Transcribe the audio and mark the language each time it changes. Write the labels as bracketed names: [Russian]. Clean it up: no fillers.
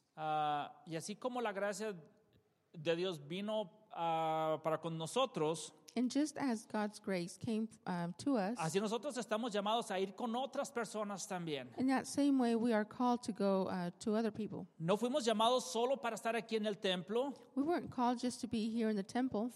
[Spanish] Y así como la gracia de Dios vino para con nosotros. [English] And just as God's grace came to us. [Spanish] Así nosotros estamos llamados a ir con otras personas también. [English] In that same way we are called to go to other people. [Spanish] No fuimos llamados solo para estar aquí en el templo. [English] We weren't called just to be here in the temple.